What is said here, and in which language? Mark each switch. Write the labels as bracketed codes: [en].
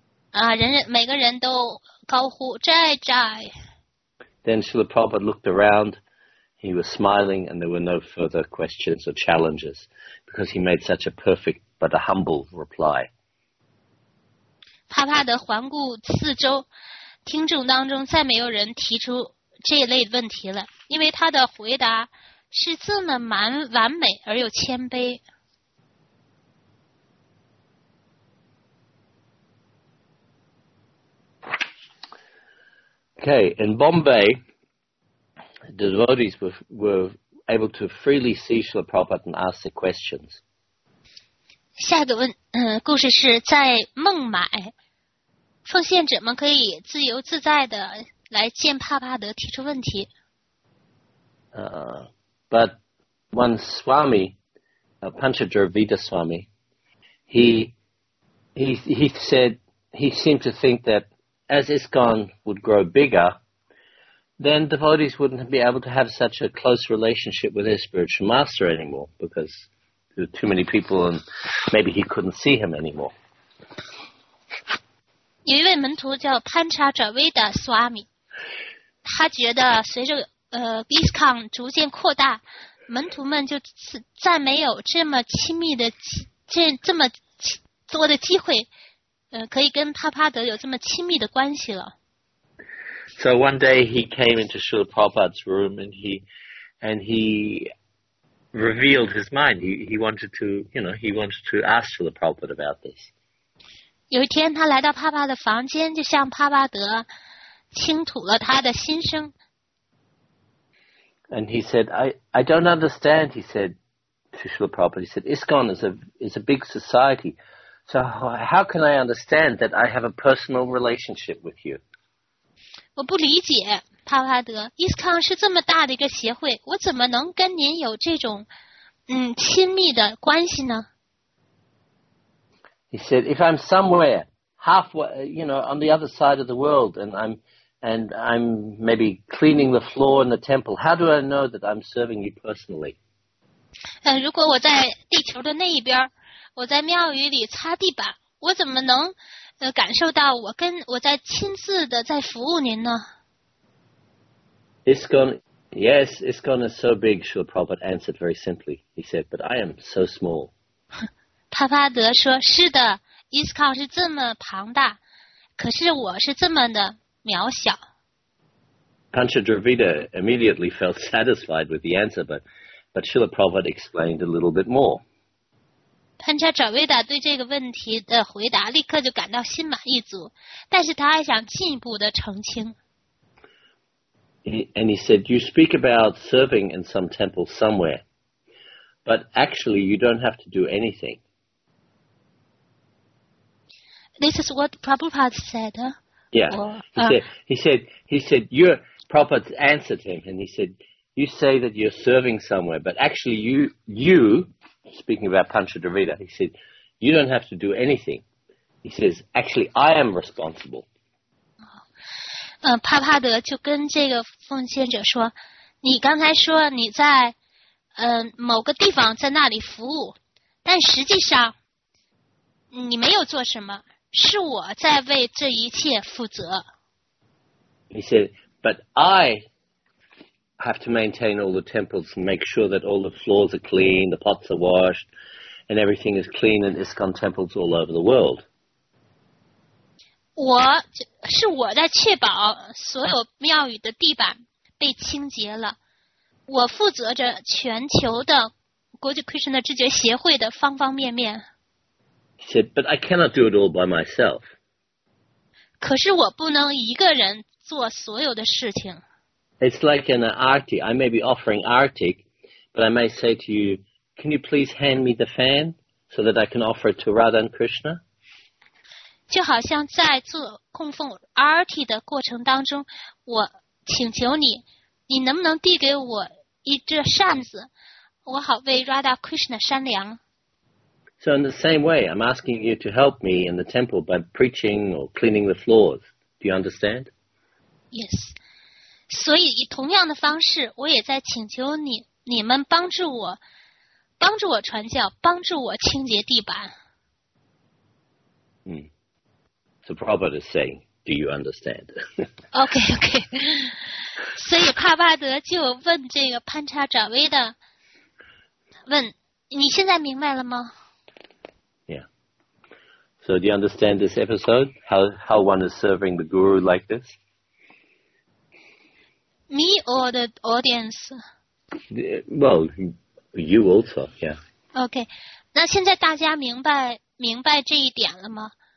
[zh] 啊，人人每个人都高呼寨寨。 [en] Then Srila Prabhupada looked around. He was smiling and there were no further questions or challenges because he made such a perfect but a humble reply. [zh] 帕帕德环顾四周，听众当中再没有人提出这类问题了，因为他的回答是这么蛮完美而又谦卑。 [en] Okay, in Bombay, the devotees were able to freely see Srila Prabhupada and ask their questions. [zh] 下一个问，故事是在孟买，奉献者们可以自由自在的来见帕帕德提出问题。 [en] But one Swami, Panchadravida Swami, he seemed to think that as ISKCON would grow bigger, then devotees wouldn't be able to have such a close relationship with their spiritual master anymore because there were too many people and maybe he couldn't see him anymore. [zh] 有一位门徒叫 Panchadravida Swami, 他觉得随着ISKCON 逐渐扩大，门徒们就再没有这么亲密的这么多的机会可以跟帕帕德有这么亲密的关系了。 [en] So one day he came into Srila Prabhupada's room and he revealed his mind. He wanted to ask Srila Prabhupada about this. [zh] 有一天他来到帕帕的房间，就向帕帕德倾吐了他的心声。 [en] And he said, I don't understand, he said to Srila Prabhupada. He said, ISKCON is a big society. So how can I understand that I have a personal relationship with you? [zh] 我不理解，帕帕德， ISKCON 是这么大的一个协会，我怎么能跟您有这种亲密的关系呢？ [en] He said, if I'm somewhere halfway, you know, on the other side of the world and I'm maybe cleaning the floor in the temple, how do I know that I'm serving you personally? [zh] 如果我在地球的那一边，我在庙宇里擦地板，我怎么能感受到我在亲自的在服务您呢？ [en] ISKCON is so big, Srila Prabhupada answered very simply. He said, but I am so small. [zh] 帕帕德说，是的， ISKCON 是这么庞大，可是我是这么的渺小。 [en] Panchadravida immediately felt satisfied with the answer, but Srila Prabhupada explained a little bit more. [zh] 潘查扎维达对这个问题的回答立刻就感到心满意足，但是他还想进一步的澄清。 [en] And he said, you speak about serving in some temple somewhere, but actually you don't have to do anything. This is what Prabhupada said, huh? He said, your Prabhupada answered him, and he said, you say that you're serving somewhere, but actually you,speaking about Panchadravida, he said, you don't have to do anything. He says, actually, I am responsible. [zh] 帕帕德就跟这个奉献者说，你刚才说你在某个地方在那里服务，但实际上你没有做什么，是我在为这一切负责。 [en] He said, but I... have to maintain all the temples and make sure that all the floors are clean, the pots are washed, and everything is clean and ISKCON temples all over the world. [zh] 是我在确保所有庙宇的地板被清洁了。我负责着全球的国际 Krishna 知觉协会的方方面面。 [en] He said, but I cannot do it all by myself. [zh] 可是我不能一个人做所有的事情。 [en] It's like an arti. I may be offering arti, but I may say to you, can you please hand me the fan so that I can offer it to Radha and Krishna? [zh] 就好像在做供奉 arti 的过程当中，我请求你，你能不能递给我一只扇子，我好为 Radha Krishna 扇凉。 [en] So in the same way, I'm asking you to help me in the temple by preaching or cleaning the floors. Do you understand? Yes. [zh] 所以以同样的方式，我也在请求你，你们帮助我，帮助我传教，帮助我清洁地板。 [en] So Prabhupada is saying, do you understand? okay. [zh] 所以帕巴德就问这个潘查扎威的，问，你现在明白了吗？ [en] So do you understand this episode? How one is serving the guru like this? Me or the audience? Well, you also, yeah. [zh] Okay, 那现在大家明白这一点了吗？